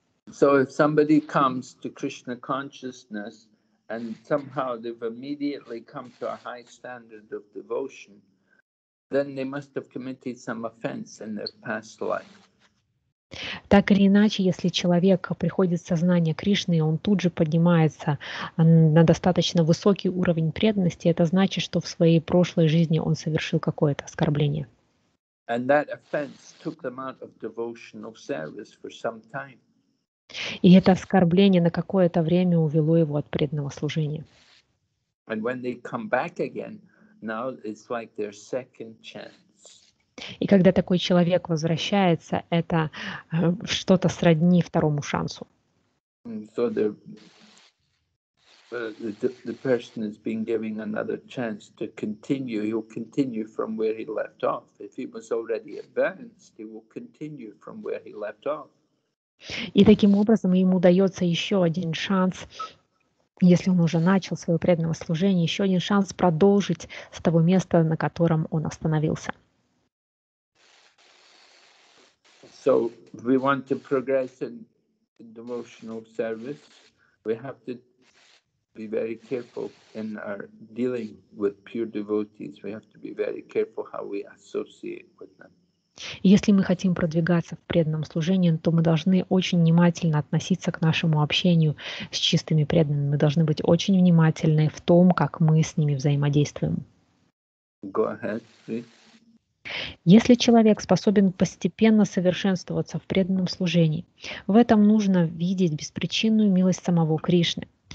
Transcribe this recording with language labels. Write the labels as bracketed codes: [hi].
[en] So if somebody comes to Krishna consciousness, and somehow they've immediately come to a high standard of devotion, then they must have committed some offense in their past life. [ru] Так или иначе, если человек приходит в сознание Кришны, он тут же поднимается на достаточно высокий уровень преданности, это значит, что в своей прошлой жизни он совершил какое-то оскорбление. [en] And that offense took them out of devotional service for some time. [ru] И это оскорбление на какое-то время увело его от преданного служения. [en] And when they come back again, now it's like their second chance. [ru] И когда такой человек возвращается, это что-то сродни второму шансу. [en] So the person is being given another chance to continue. He'll continue from where he left off. If he was already advanced, he will continue from where he left off. [ru] И таким образом ему дается еще один шанс, если он уже начал свое преданное служение, еще один шанс продолжить с того места, на котором он остановился. [en] So we want to progress in devotional service. We have to be very careful in our dealing with pure devotees. We have to be very careful how we associate with them. [ru] Если мы хотим продвигаться в преданном служении, то мы должны очень внимательно относиться к нашему общению с чистыми преданными. Мы должны быть очень внимательны в том, как мы с ними взаимодействуем. [en] Go ahead, please. [ru] Если человек способен постепенно совершенствоваться в преданном служении, в этом нужно видеть беспричинную милость самого Кришны.